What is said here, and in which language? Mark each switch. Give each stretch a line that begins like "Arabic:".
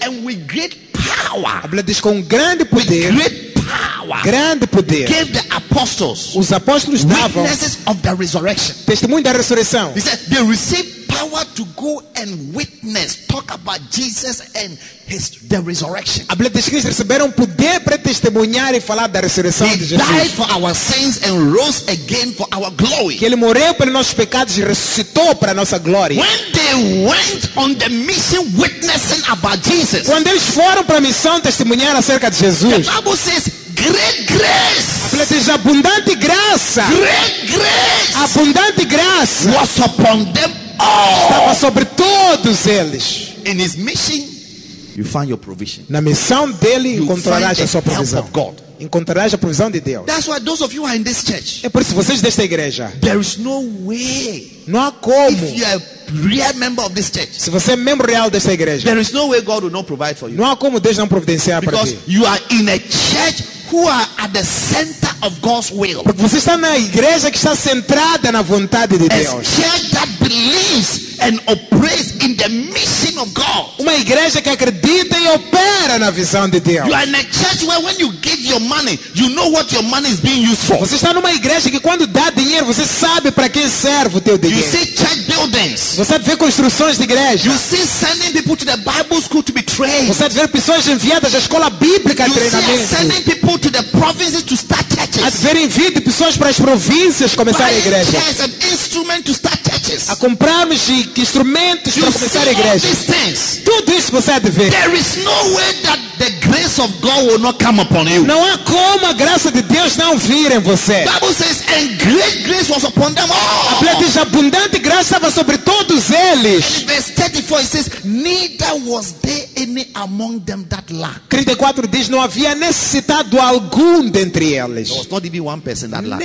English: And with great power.
Portuguese: A Bíblia diz com grande poder.
English: With great power.
Portuguese: Grande poder.
English: Gave the apostles.
Portuguese: Os apóstolos davam.
English: Witnesses of the resurrection.
Portuguese: Testemunho da ressurreição.
English: He said, they received power to go and witness, talk about Jesus and his the resurrection.
Portuguese: A Bíblia diz que eles receberam poder para testemunhar e falar da ressurreição
English: he
Portuguese: de Jesus.
English: Died for our sins and rose again for our glory.
Portuguese: Que ele morreu pelos nossos pecados e ressuscitou para nossa glória.
English: When they went on the mission witnessing about Jesus.
Portuguese: Quando eles foram para a missão testemunhar acerca de Jesus.
English: The Bible says, great grace.
Portuguese: A Bíblia diz abundante graça.
English: Great grace.
Portuguese: Abundante graça.
English: Was upon them.
Portuguese: Estava sobre todos eles.
English: In his mission, you find your provision.
Portuguese: Na missão dele encontrarás a sua provisão.
English: Help of God.
Portuguese: Encontrarás a provisão de Deus.
English: That's why those of you are in this church.
Portuguese: É por isso que vocês desta igreja.
English: There is no way.
Portuguese: Não há como.
English: If you are a real member of this church.
Portuguese: Se você é membro real desta igreja.
English: There is no way God will not provide for you.
Portuguese: Não há como Deus não providenciar para ti.
English: Because you are in a church who are at the center of God's will.
Portuguese: Porque você está na igreja que está centrada na vontade de Deus.
English: A church that believes and operates in the mission of God.
Portuguese: Uma igreja que acredita e opera na visão de Deus.
English: You are in a church where when you give your money, you know what your money is being used for.
Portuguese: Você está numa igreja que quando dá dinheiro, você sabe para quem serve o teu dinheiro.
English: You see church buildings.
Portuguese: Você vê construções de igreja.
English: You see sending people to the Bible school to be trained.
Portuguese: Você vê pessoas enviadas à escola bíblica de treinamento.
English: You see sending people to the provinces to start churches.
Portuguese: A ver enviando pessoas para as províncias começar a igreja.
English: Buying chairs and instruments to start churches.
Portuguese: A comprarmos instrumentos para começar a igreja. Tudo isso você há de ver.
English: There is no way that the grace of God will not come upon you.
Portuguese: Não há como a graça de Deus não vir em você.
English: The Bible says, and great grace was upon them all.
Portuguese: A Bíblia diz, abundante graça estava sobre todos eles.
English: And verse 34 it says, neither was there any among them that lacked.
Portuguese: 34 diz, não havia necessitado algum dentre eles.
English: There was not even one person that lacked.